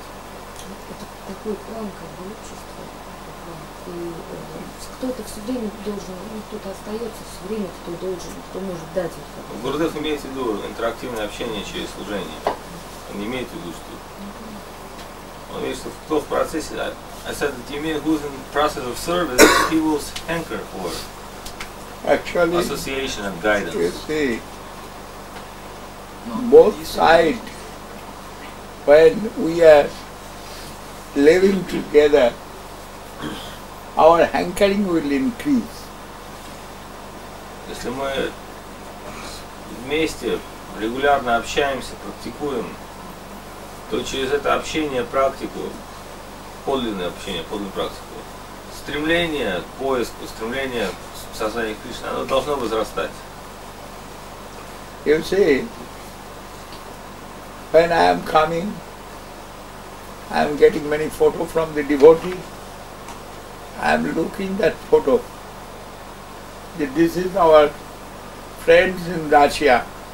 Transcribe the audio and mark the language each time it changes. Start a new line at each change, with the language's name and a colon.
Russian: Такой план, как бы, общество. И кто-то все время должен, ну, кто-то остается все время, кто должен, кто может дать это. В Гурдев имеет в виду интерактивное общение через служение. Он имеет в виду, что... Он имеет, что кто в процессе...
English: I said that you mean who's in the process of service, he will hanker for actually, association and guidance. You see, both sides, when we are living together, our hankering will increase.
Russian: Если мы вместе регулярно общаемся, практикуем, то через это общение, практику, подлинное общение, подлинную практику, стремление к поиску, стремление к сознанию Кришны, оно должно возрастать.
English: You see, when I am coming, I am getting many photos from the devotee. I am looking that photo. This is our friends in Russia.